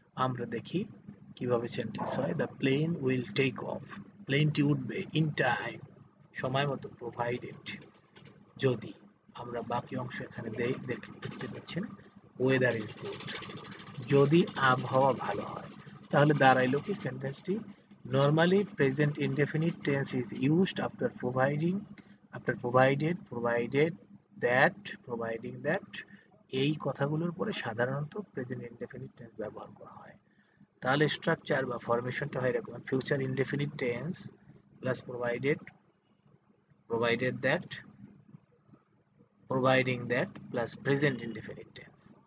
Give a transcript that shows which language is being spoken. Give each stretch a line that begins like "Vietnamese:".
Bangla: আমরা দেখি কিভাবে সেন্টেন্স হয়,
English: the plane will take off,
Bangla: প্লেনটি উঠবে ইন টাইম সময় মতো প্রোভাইডেড, যদি আমরা বাকি অংশ এখানে দেখতে পাচ্ছেন,
English: weather is good,
Bangla: যদি আবহাওয়া ভালো হয়, তাহলে দাঁড়াইলো কি সেন্টেন্সটি
English: Normally, present indefinite tense is used after providing, after provided that, providing that.
Bangla: এই কথাগুলোর পরে সাধারণত প্রেজেন্ট ইনডেফিনিট টেন্স ব্যবহার করা হয়। তাহলে স্ট্রাকচার বা ফরমেশনটা হয় এরকম, future indefinite tense plus provided, provided that, providing that plus present indefinite tense.